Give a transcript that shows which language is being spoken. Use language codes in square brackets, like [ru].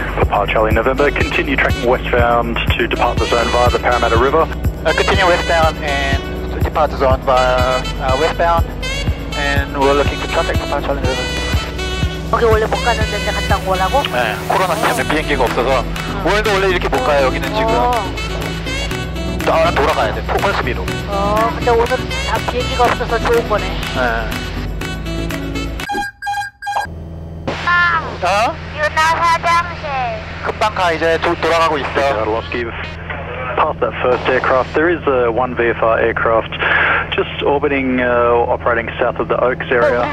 [en] 아, 찰리 November, continue tracking westbound to depart the zone via the Parramatta River. Continue westbound and depart the zone via westbound. And we're looking for traffic for Parramatta River. [ko] 여기 원래 못 가는 데 갔다고 하라고? 네, 코로나 때문에 비행기가 없어서 오늘도 원래 이렇게 못 가요, 여기는 지금. 나 돌아가야 돼, 폭발 수비로. 근데 오늘 다 비행기가 없어서 좋은 거네. 네. 어? 유나 화장실. 금방 가 이제 돌아가고 있어. [en] Arlovsky, past that first aircraft, there is one VFR aircraft just orbiting, operating south of the Oaks area.